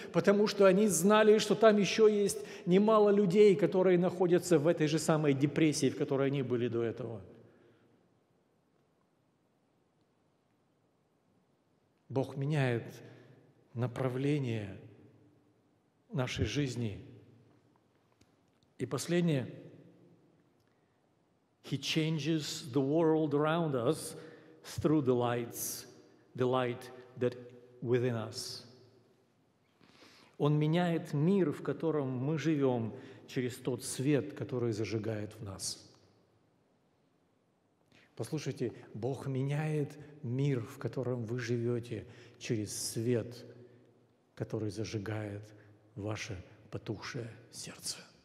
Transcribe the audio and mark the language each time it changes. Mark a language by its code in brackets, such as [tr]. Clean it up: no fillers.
[ru] Потому что они знали, что там еще есть немало людей, которые находятся в этой же самой депрессии, в которой они были до этого. Бог меняет направление нашей жизни. И последнее. [en] He changes the world around us through the light that within us. [ru] Он меняет мир, в котором мы живем, через тот свет, который зажигает в нас. Послушайте, Бог меняет мир, в котором вы живете, через свет, который зажигает ваше потухшее сердце.